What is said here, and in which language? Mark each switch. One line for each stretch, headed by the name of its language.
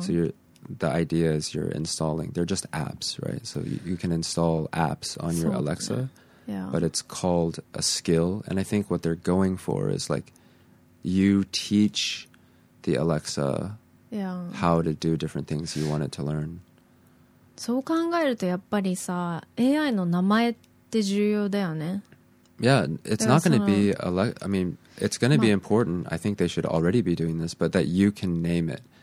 English: So the idea is you're installing, they're just apps, right? So you can install apps on your Alexa. Yeah. But it's called a skill. And I think what they're going for is like, you teach the Alexa how to do different things you want it to learn.
Japanese: そう考えるとやっぱりさ、AI の名前って重要だよね。
English: Yeah, it's not going to be, I mean, it's going to be important. I think they should already be doing this, but that you can name it.